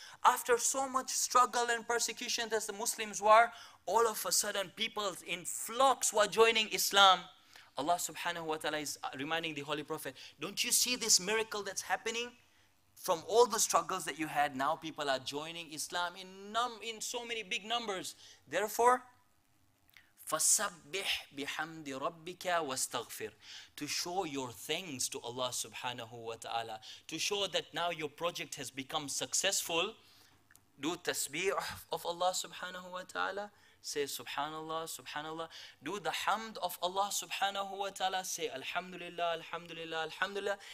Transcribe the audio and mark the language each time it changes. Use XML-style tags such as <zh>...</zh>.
<en>After so much struggle and persecution as the Muslims were, all of a sudden people in flocks were joining Islam. Allah subhanahu wa ta'ala is reminding the Holy Prophet, don't you see this miracle that's happening? From all the struggles that you had, now people are joining Islam in so many big numbers. Therefore,</en> <ar>فَسَبِّحْ بِحَمْدِ رَبِّكَ وَاسْتَغْفِرْ.</ar> <en>To show your thanks to Allah subhanahu wa ta'ala. To show that now your project has become successful. Do tasbih of Allah subhanahu wa ta'ala. Say subhanallah, subhanallah. Do the hamd of Allah subhanahu wa ta'ala. Say alhamdulillah, alhamdulillah, alhamdulillah.</en>